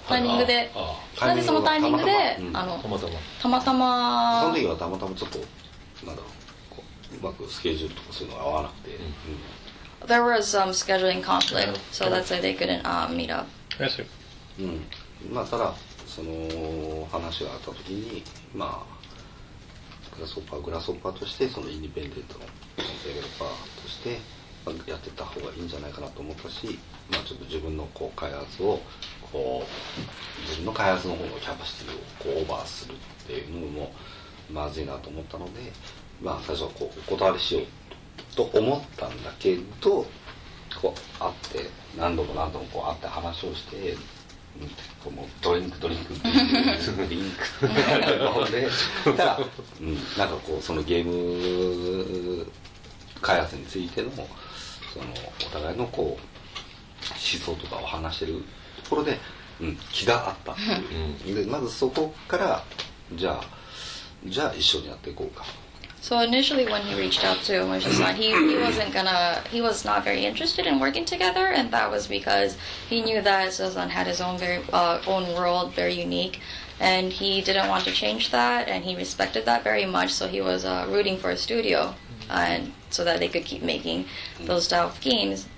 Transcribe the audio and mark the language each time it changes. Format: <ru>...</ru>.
<ja>タイミングでなぜそのタイミングでたまたまその時はたまたまちょっとなんだろううまくスケジュールとかそういうのが合わなくて</ja> <en>There was some scheduling conflict, so that's why they couldn't meet up. I see.</en> <ja>まあ、ただその話があった時に、まあ、グラスホッパーグラスホッパーとしてそのインディペンデントのデベロッパーとしてやってた方がいいんじゃないかなと思ったし、まあ、ちょっと自分のこう開発をこう自分の開発の方のキャパシティをこうオーバーするっていうのもまずいなと思ったので、まあ、最初はこうお断りしようと思ったんだけど、こう会って何度も何度もこう会って話をして、もうドリンクなので、ただ、なんかこうそのゲーム開発についてのそのお互いのこう思想とかを話してるところで、気があったっていう。でまずそこからじゃあ一緒にやっていこうか。</ja> <en>So initially when he reached out to Omoshi-san, he was not very interested in working together, and that was because he knew that Sozan had his own very own world, very unique, and he didn't want to change that, and he respected that very much, so he was rooting for a studio, and so that they could keep making those style of games.</en>